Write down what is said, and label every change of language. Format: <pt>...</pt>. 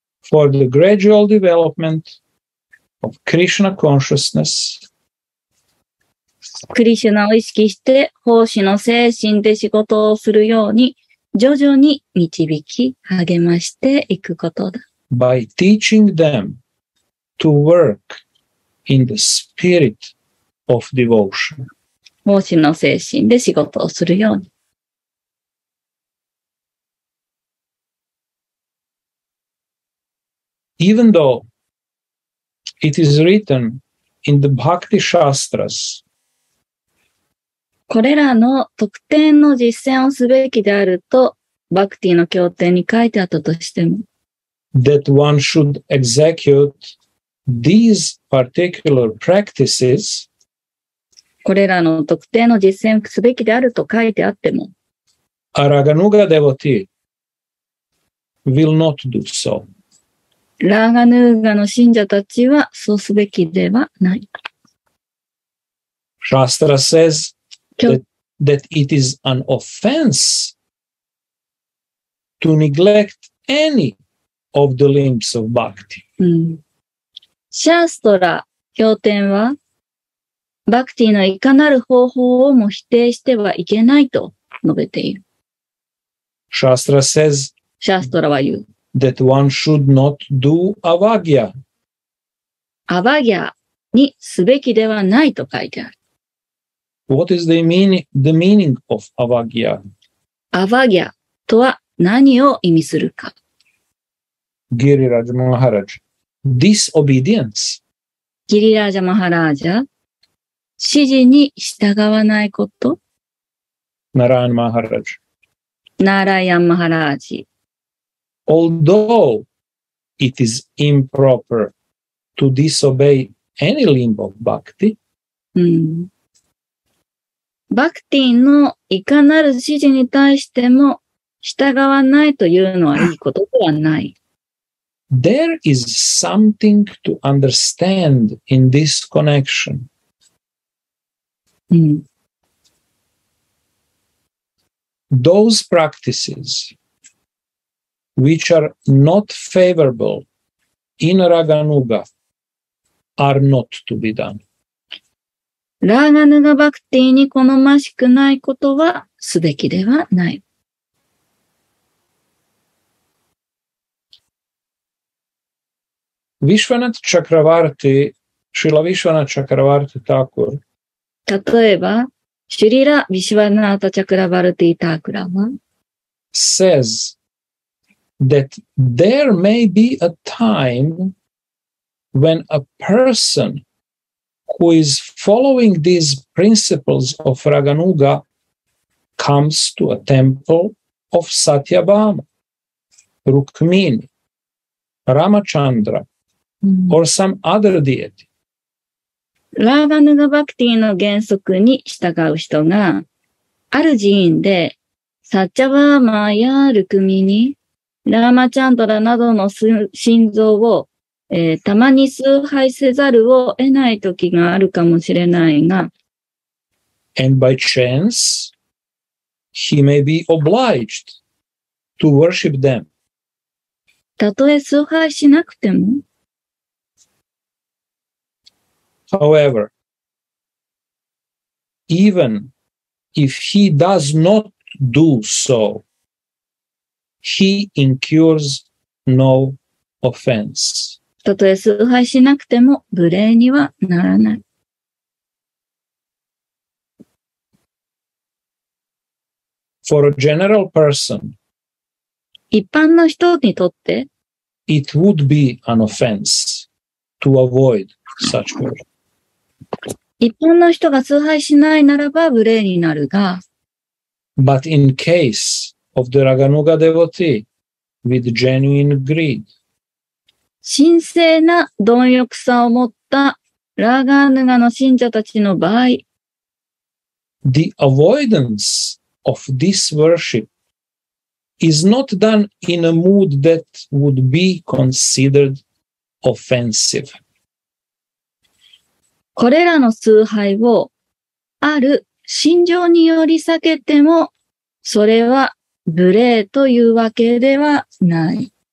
<en>For the gradual development of Krishna consciousness.</en> <ja>クリシュナを意識して奉仕の精神で仕事をするように徐々に導き励ましていくことだ。</ja> <en>By teaching them to work in the spirit of devotion.</en> <ja>奉仕の精神で仕事をするように。</ja> <en>Even though it is written in the Bhakti Shastras,</en> <ja>これらの特典の実践をすべきであると、バクティの経典に書いてあったとしても、</ja> <en>that one should execute These particular practices,</en> <ja>これらの特定の実践すべきであると書いてあっても、</ja> <en>アラガヌーガ devotee will not do so.</en> <ja>ラーガヌーガの信者たちはそうすべきではない。</ja> <en>Shastra says that it is an offense to neglect any of the limbs of bhakti.、</en> <ja>シャーストラ経典は、バクティのいかなる方法をも否定してはいけないと述べている。</ja> <en>シャーストラ says,</en> <ja>シャーストラは言う。</ja> <en>That one should not do avagya.</en> <ja>アバギャにすべきではないと書いてある。</ja> <en>What is the meaning of avagya?</en> <ja>アバギャとは何を意味するか。</ja> <en>ギリラジ・マハラジ。Disobedience. ギリラジャマハラージャ指示に従わないこと。</en> <ja>ナラヤンマハラージ。ナラヤンマハラージ。</ja> <en>Although it is improper to disobey any limb of bhakti.</en> <ja>バクティのいかなる指示に対しても従わないというのはいいことではない。</ja> <en>There is something to understand in this connection.、Those practices which are not favorable in Raganuga are not to be done.</en> <ja>Raganuga Bhakti に好ましくないことはすべきではない。</ja> <en>Vishwanath Chakravarti, Srila Vishwanath Chakravarti Thakur.</en> <ja>例えば、シリラ・ヴィシュヴァナータ・チャクラヴァルティ・タクラは</ja> <en>says that there may be a time when a person who is following these principles of Raganuga comes to a temple of Satyabhama. Rukmini, Ramachandra, or some other deity.</en> <ja>ラーガヌガバクティの原則に従う人が、ある寺院で、サッチャバーマーやルクミニ、ラーマチャンドラなどの神像を、たまに崇拝せざるを得ない時があるかもしれないが、</ja> <en>And by chance, he may be obliged to worship them.</en> <ja>たとえ崇拝しなくても、</ja> <en>However, even if he does not do so, he incurs no offense.</en> <ja>たとえ崇拝しなくても、無礼にはならない。</ja> <en>For a general person,</en> <ja>一般の人にとって、</ja> <en>it would be an offense to avoid such worship.</en> <ja>一般の人が崇拝しないならば無礼になるが、</ja> <en>But in case of the Raganuga devotee with genuine greed,</en> <ja>神聖な貪欲さを持ったラーガヌガの信者たちの場合、</ja> <en>The avoidance of this worship is not done in a mood that would be considered offensive.</en> <ja>これらの崇拝をある心情により避けても、それは無礼というわけではない。</ja>